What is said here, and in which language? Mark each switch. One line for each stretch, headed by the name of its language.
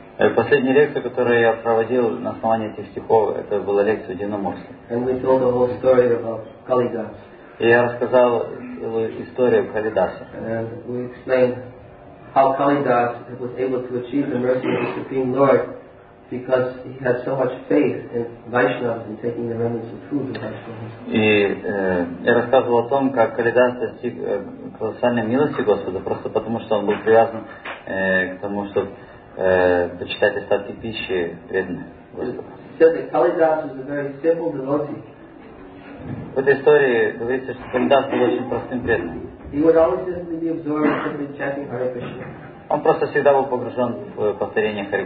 Russian: в последней лекции, которую я проводил на основании этих стихов, это была лекция о Динамурсе.
English: And we told the whole story about Kalidas.
Russian: И я рассказал целую историю Калидаса.
English: And we explained how Kalidas was able to achieve the mercy of the Supreme Lord. Because he had so much faith in Vaishnavas and taking the remnants of food in Vaishnavas.
Russian: И я рассказывал о том, как Калидас достиг колоссальной милости Господа, просто потому что он был привязан к тому, чтобы почитать остатки пищи преданных Господа.
English: Калидас was a very simple devotee.
Russian: В этой истории говорится, что Калидас был очень простым преданным.
English: He would always simply be absorbed in chanting Hare Krishna.
Russian: Он просто всегда был погружен в повторение Харе